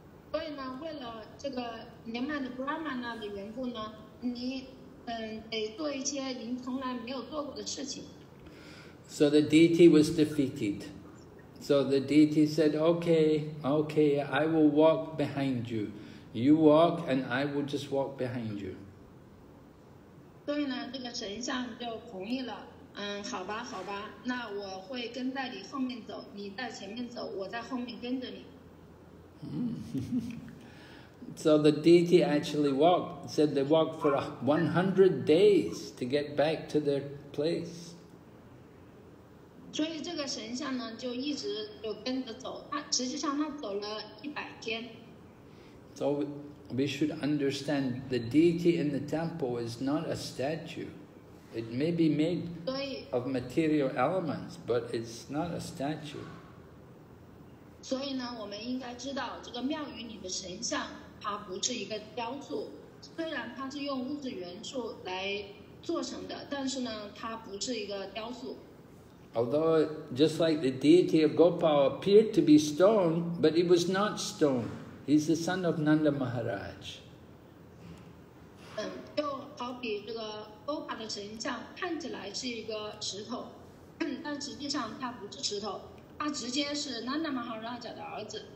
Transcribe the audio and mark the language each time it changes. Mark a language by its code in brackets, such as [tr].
[zh] 所以呢，为了这个年迈的 Brahmana 的缘故呢，你得做一些您从来没有做过的事情。 [en] So the deity was defeated. So the deity said, okay, I will walk behind you. You walk and I will just walk behind you. [zh] 所以呢，这个神像就同意了。嗯，好吧，那我会跟在你后面走，你在前面走，我在后面跟着你。 [en] So the deity actually walked. Said they walked for 100 days to get back to their place. [zh] 所以这个神像呢，就一直就跟着走。他实际上他走了100天。 [en] So. We should understand the deity in the temple is not a statue. It may be made of material elements, but it's not a statue. [zh] 所以呢，我们应该知道这个庙宇里的神像，它不是一个雕塑。虽然它是用物质元素来做成的，但是呢，它不是一个雕塑。 [en] Although just like the deity of Gopal appeared to be stone, but it was not stone. He's the son of Nanda Maharaj. [zh] 就好比这个欧巴的神像看起来是一个石头，但实际上他不是石头，他直接是 Nanda Maharaj 的儿子。